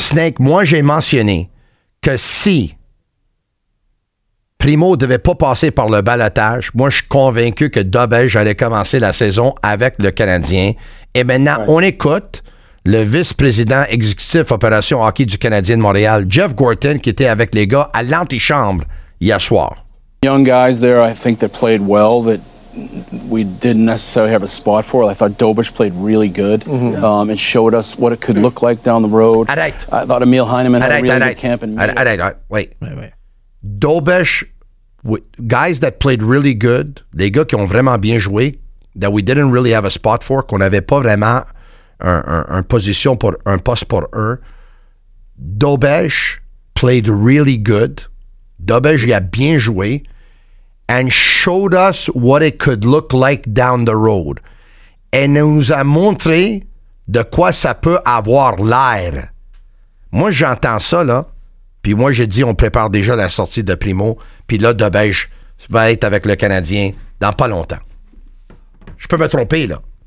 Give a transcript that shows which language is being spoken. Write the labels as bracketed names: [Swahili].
[French] Snake, moi j'ai mentionné que si Primo ne devait pas passer par le ballottage, moi je suis convaincu que Dobesh allait commencer la saison avec le Canadien. Et maintenant, ouais, on écoute le vice-président exécutif Opération Hockey du Canadien de Montréal, Jeff Gorton, qui était avec les gars à l'antichambre hier soir. [English] Young guys there, I think they played well, but we didn't necessarily have a spot for it. I thought Dobesh played really good. Mm-hmm. And showed us what it could look like down the road. [French] Arrête. [English] I thought Emil Heinemann had a really good camp. Wait. [French] Dobesh, [English] guys that played really good, [French] les gars qui ont vraiment bien joué, [English] that we didn't really have a spot for, [French] qu'on n'avait pas vraiment un position pour un poste pour eux. [English] Dobesh played really good. [French] Dobesh y a bien joué. [English] And showed us what it could look like down the road. [French] Et nous a montré de quoi ça peut avoir l'air. Moi, j'entends ça, là. Puis moi, j'ai dit, on prépare déjà la sortie de Primo. Puis là, Dobesh va être avec le Canadien dans pas longtemps. Je peux me tromper, là.